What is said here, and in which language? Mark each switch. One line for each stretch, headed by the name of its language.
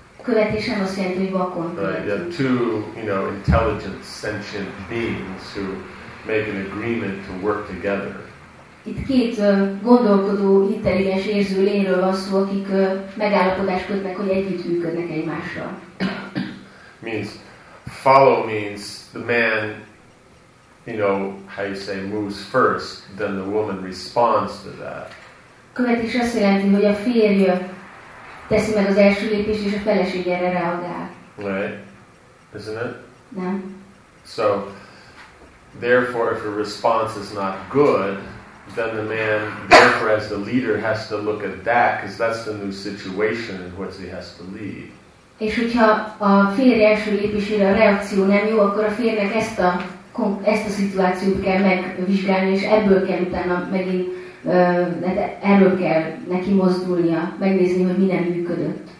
Hungarian: Követés nem azt jelenti, hogy vakon.
English: Two, you know, intelligent, sentient beings who make an agreement to work together.
Hungarian: Itt két gondolkodó, intelligens érző lényről van szó, akik megállapodást kötnek, hogy együttműködnek egymással.
English: Means, follow means the man, you know, how you say, moves first, then the woman responds to that.
Hungarian: Követés azt jelenti, hogy a férj teszi meg az első lépést, és a feleség erre reagál.
English: Right? Isn't it?
Hungarian: Nem.
English: So, therefore, if a response is not good, then the man, therefore as the leader, has to look at that, because that's the new situation in which he has to lead.
Hungarian: És hogyha a férj első lépésére a reakció nem jó, akkor a férjnek ezt a szituációt kell megvizsgálni, és ebből kell utána megint, erről kell neki mozdulnia, megnézni, hogy mi nem működött.